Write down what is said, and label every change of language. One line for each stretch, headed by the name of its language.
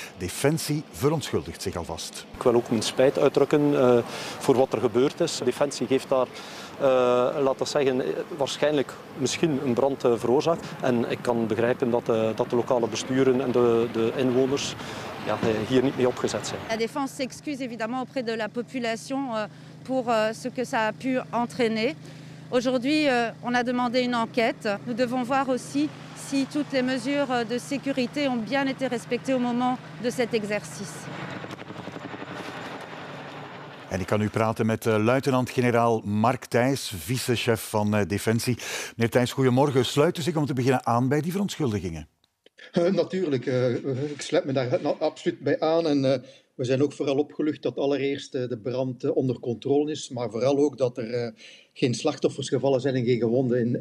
Dutch: Defensie verontschuldigt zich alvast. Ik wil ook mijn spijt uitdrukken voor wat er gebeurd is. Defensie heeft daar, laten we zeggen, waarschijnlijk misschien een brand veroorzaakt. En ik kan begrijpen dat de lokale besturen en de inwoners hier niet mee opgezet zijn.
French: De Defensie s'excuse évidemment auprès de la population. Pour ce que ça a pu entraîner. Aujourd'hui, on a demandé une enquête. Nous devons voir aussi si toutes les mesures de sécurité ont bien été respectées au moment de cet exercice.
Dutch: En ik kan nu praten met luitenant-generaal Mark Thijs, vice-chef van Defensie. Meneer Thijs, goedemorgen. Sluit u zich om te beginnen aan bij die verontschuldigingen? Natuurlijk. Ik sluit me daar absoluut bij aan. We zijn ook vooral opgelucht dat allereerst de brand onder controle is, maar vooral ook dat er geen slachtoffers gevallen zijn en geen gewonden.